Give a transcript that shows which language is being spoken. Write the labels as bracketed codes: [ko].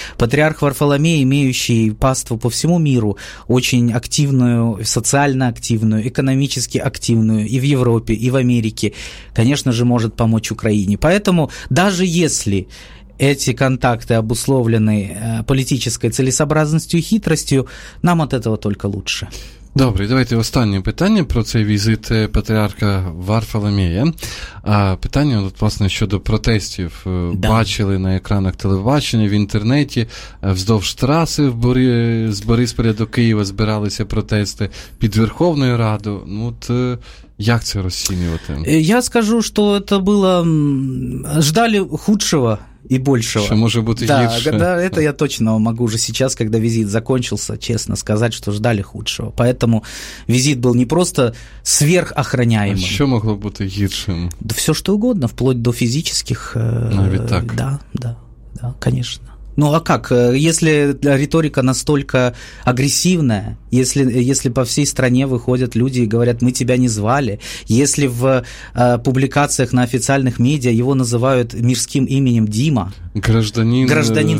[ru] Патриарх Варфоломей, имеющий паству по всему миру, очень активную, социально активную, экономически активную и в Европе, и в Америке, конечно же, может помочь Украине. Поэтому даже если эти контакты обусловлены политической целесообразностью и хитростью, нам от этого только лучше. [uk] Добре, давайте останнє питання про цей візит патріарха Варфоломія. Питання, от, власне, щодо протестів. Да. Бачили на екранах телебачення, в інтернеті, вздовж траси з Борисполя до Києва збиралися протести під Верховною Радою. Ну, от... Як це розцінювати? Я скажу, що це було... [ru] Ждали худшого [uk] і більшого. Що може бути гірше. Да, це да, я точно можу вже зараз, коли візит закінчився, чесно сказати, що [ru] ждали худшого. Поэтому [uk] візит був не просто [ru] сверхохраняемым. [uk] А що могло бути гіршим? Да, все, що угодно, [ru] вплоть до [uk] фізичних... Навіть так? [ru] Да, да, да, конечно. Ну а как, если риторика настолько агрессивная, если по всей стране выходят люди и говорят, мы тебя не звали, если в публикациях на официальных медиа его называют мирским именем Дима, гражданин